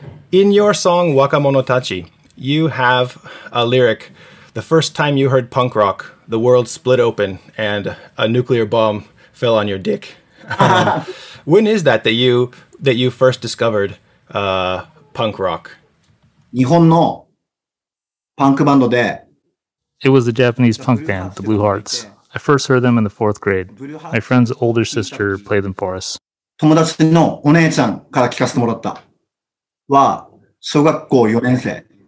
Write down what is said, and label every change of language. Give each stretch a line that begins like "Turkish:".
English: In your song, Wakamono Tachi, you have a lyric, the first time you heard punk rock, the world split open and a nuclear bomb fell on your dick. When is that that you first discovered punk rock?
Japanese: 日本のパンクバンドで。
English: It was the Japanese punk band, the Blue Hearts. I first heard them in the fourth grade. My friend's older sister played them for us.
Japanese: 友達のお姉ちゃんから聞かせてもらったは小学校4年生。